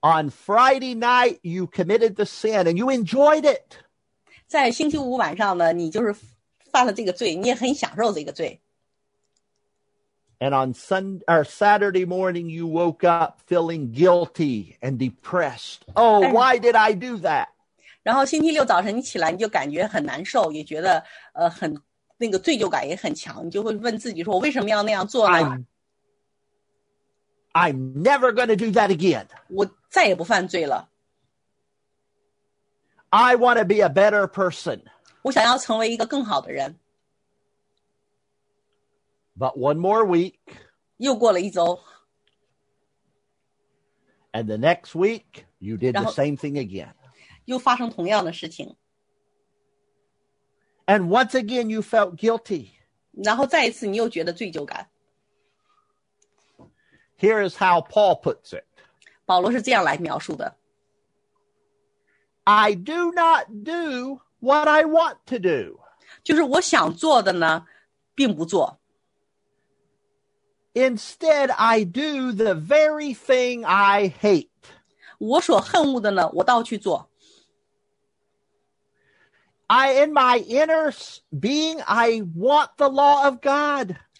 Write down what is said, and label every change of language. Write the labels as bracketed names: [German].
[English] Friday night, you committed the sin and you enjoyed it. [Chinese] 在星期五晚上呢，你就是犯了这个罪，你也很享受这个罪。 [English] And on Sunday or Saturday morning, you woke up feeling guilty and depressed. Oh, why did I do that? [Chinese] 然后星期六早晨你起来，你就感觉很难受，也觉得那个罪疚感也很强，你就会问自己说，我为什么要那样做呢？ [English] I'm never going to do that again. [Chinese] 我再也不犯罪了。 [English] I want to be a better person. [Chinese] 我想要成为一个更好的人。 [English] But one more week. [Chinese] 又过了一周, [English] and the next week, you did the same thing again. [Chinese] 又发生同样的事情, [English] and once again, you felt guilty. [Chinese] 然后再一次你又觉得罪疚感。 [English] Here is how Paul puts it. [Chinese] 保罗是这样来描述的, [English] I do not do what I want to do. [Chinese] 就是我想做的呢, 并不做。 [English] Instead, I do the very thing I hate. [Chinese] 我所恨恶的呢,我倒去做。 [English] In my inner being, I want the law of God.